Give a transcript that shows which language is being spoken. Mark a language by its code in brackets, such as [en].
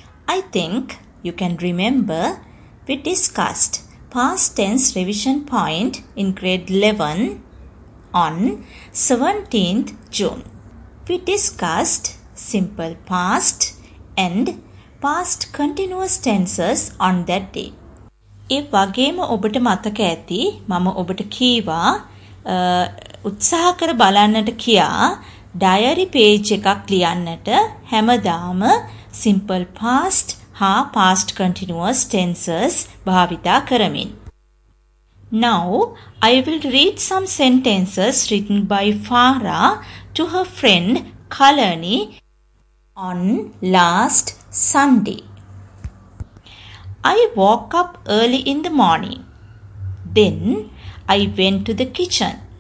[en] I think you can remember we discussed past tense revision point in grade 11 on 17th June. We discussed simple past and past continuous tenses on that day. [si] ඒ වගේම ඔබට මතක ඇති මම ඔබට කීවා උත්සාහ කර බලන්නට කියා ඩයරි පේජ් එකක් ලියන්නට හැමදාම simple past හා past continuous tenses භාවිතා කරමින්. [en] Now I will read some sentences written by Farah to her friend Kalani on last Sunday. I woke up early in the morning. Then I went to the kitchen.